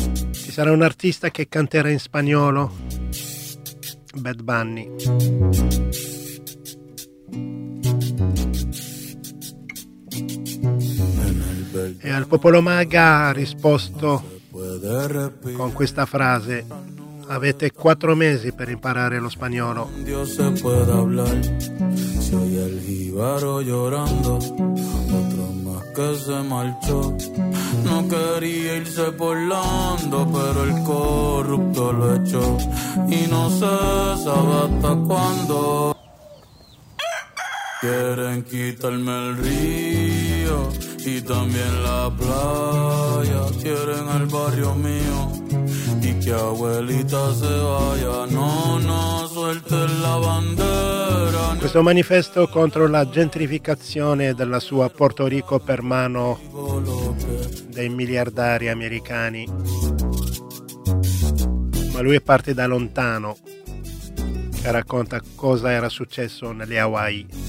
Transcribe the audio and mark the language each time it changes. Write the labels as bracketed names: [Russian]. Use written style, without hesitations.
[Italian] Ci sarà un artista che canterà in spagnolo, Bad Bunny. E al popolo MAGA ha risposto con questa frase: avete 4 mesi per imparare lo spagnolo. [Spanish] Soy el jíbaro llorando, otro más que se marchó. No quería irse volando, pero el corrupto lo echó. Y no se sabe hasta cuándo. Quieren quitarme el río y también la playa. Quieren el barrio mío y que abuelita se vaya. No, no, suelte la bandera. [Italian] Questo manifesto contro la gentrificazione della sua Porto Rico per mano dei miliardari americani. Ma lui parte da lontano e racconta cosa era successo nelle Hawaii.